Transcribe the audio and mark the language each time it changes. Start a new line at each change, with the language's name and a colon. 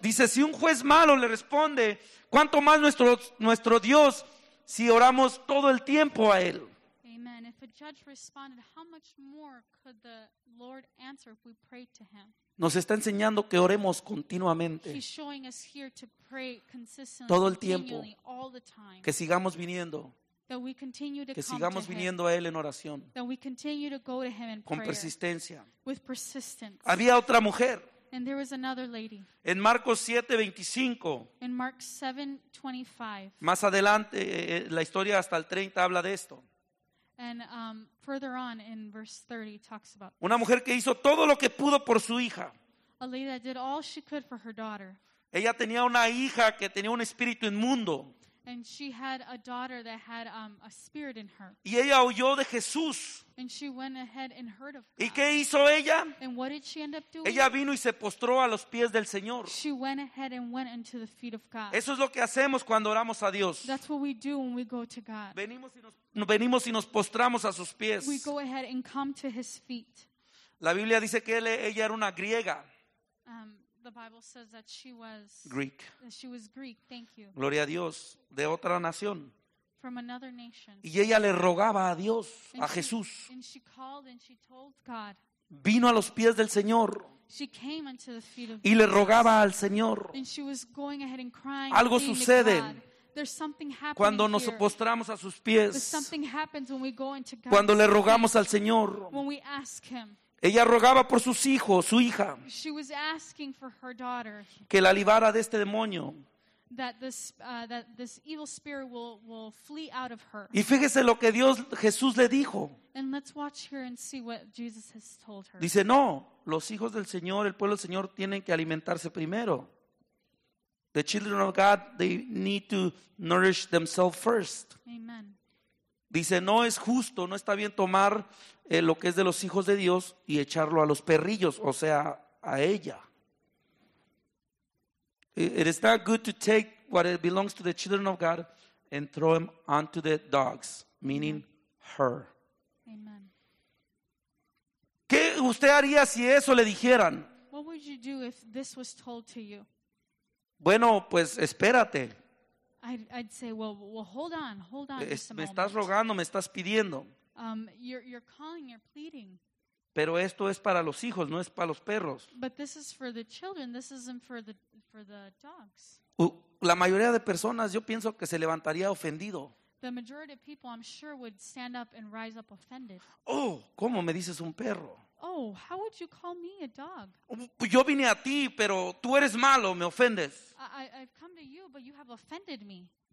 Spanish: Dice, si un juez malo le responde, ¿cuánto más nuestro Dios si oramos todo el tiempo a él? Amen.
English: If a judge responded, how much more could the Lord answer if we pray to him?
Spanish: Nos está enseñando que oremos continuamente.
English: He's showing us here to pray consistently,
Spanish: todo el tiempo.
English: All the time.
Spanish: Que sigamos viniendo.
English: That we continue to
Spanish: que
English: come
Spanish: sigamos
English: to
Spanish: viniendo
English: him.
Spanish: A Él en oración.
English: That we continue to go to him in
Spanish: con
English: prayer.
Spanish: Persistencia.
English: With persistence.
Spanish: Había otra mujer.
English: And there was another lady.
Spanish: En Marcos 7:25.
English: In Mark 7:25.
Spanish: Más adelante, la historia hasta el 30 habla de esto.
English: And further on in verse 30 it talks about
Spanish: una mujer que hizo todo lo que pudo por su hija.
English: A lady that did all she could for her daughter.
Spanish: Ella tenía una hija que tenía un espíritu inmundo.
English: And she had a daughter that had a spirit in her.
Spanish: Y ella huyó de Jesús.
English: And she went ahead and heard of God.
Spanish: ¿Y qué hizo ella?
English: And what did she end up doing?
Spanish: Ella vino y se postró a los pies del Señor.
English: She went ahead and went into the feet of God.
Spanish: Eso es lo que hacemos cuando oramos a Dios.
English: That's what we do when we go to God.
Spanish: Venimos y nos postramos a sus pies.
English: We go ahead and come to his feet.
Spanish: La Biblia dice que ella era una griega.
English: The Bible says that she was Greek. She was Greek. Thank you.
Spanish: Gloria a Dios, de otra nación.
English: From another nation.
Spanish: Y ella le rogaba a Dios, a Jesús.
English: And she called and she told God.
Spanish: Vino a los pies del Señor.
English: She came unto the feet of
Spanish: y le rogaba al Señor.
English: And she was going ahead and crying.
Spanish: Algo sucede.
English: There's something happening
Spanish: cuando nos
English: here.
Spanish: Postramos a sus pies.
English: But something happens when we go into God.
Spanish: Cuando le rogamos al Señor.
English: When we ask him.
Spanish: Ella rogaba por sus hijos, su hija.
English: She was asking for her daughter.
Spanish: Que la librara de este demonio.
English: That this evil spirit will flee out of her.
Spanish: Y fíjese lo que Jesús le dijo.
English: And let's watch here and see what Jesus has told her.
Spanish: Dice, no, los hijos del Señor, el pueblo del Señor, tienen que alimentarse primero.
English: The children of God, they need to nourish themselves first. Amen.
Spanish: Dice, no es justo, no está bien tomar lo que es de los hijos de Dios y echarlo a los perrillos, o sea, a ella.
English: It is not good to take what it belongs to the children of God and throw them onto the dogs, meaning her. Amen.
Spanish: ¿Qué usted haría si eso le dijeran?
English: What would you do if this was told to you?
Spanish: Bueno, pues espérate.
English: I'd say, well, hold on just a moment.
Spanish: Me estás rogando, me estás pidiendo.
English: You're calling, you're pleading.
Spanish: Pero esto es para los hijos, no es para los perros.
English: But this is for the children, this isn't for the dogs.
Spanish: La mayoría de personas, yo pienso que se levantaría ofendido.
English: The majority of people, I'm sure, would stand up and rise up offended.
Spanish: Oh, ¿cómo me dices un perro?
English: Oh, how would you call me a dog?
Spanish: Yo vine a ti, pero tú eres malo, me ofendes.
English: I've come to you, but you have offended me.